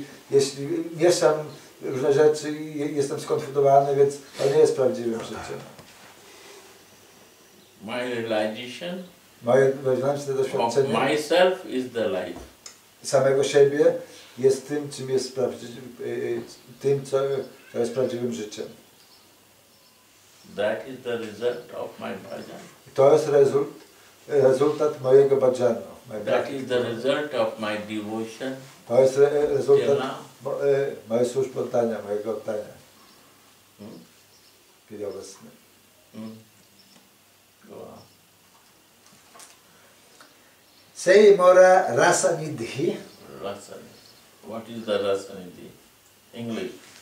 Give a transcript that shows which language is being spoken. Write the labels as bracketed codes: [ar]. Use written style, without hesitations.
[pl] Jeśli mieszam różne rzeczy i jestem skonfundowany, więc to nie jest prawdziwym życiem. [en] My realization. [pl] Moje wewnętrzne doświadczenie. [en] Myself is the life. [pl] Samego siebie jest tym, czym jest tym, co jest prawdziwym życiem. [en] That is the result of my bhajan. [pl] To jest rezultat mojego bhajana. [en] That is the result of my devotion. [pl] To jest rezultat mojej służby oddania, mojego oddania. W chwili obecnej. [en] Say more rasanidhi. Rasanidhi. What is the rasanidhi? English.